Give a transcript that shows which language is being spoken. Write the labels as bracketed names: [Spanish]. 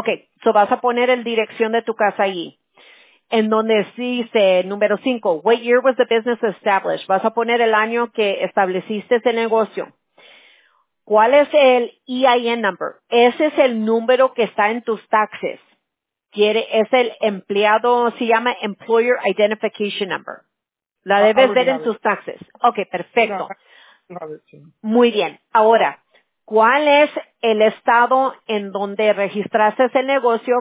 [Spanish] Okay, so vas a poner el dirección de tu casa ahí. En donde dice, número 5, [English] what year was the business established? [Spanish] Vas a poner el año que estableciste ese negocio. ¿Cuál es el EIN number? Ese es el número que está en tus taxes. Es el empleado, se llama Employer Identification Number. La debes ver en tus taxes. Okay, perfecto. Muy bien, ahora, ¿cuál es el estado en donde registraste el negocio?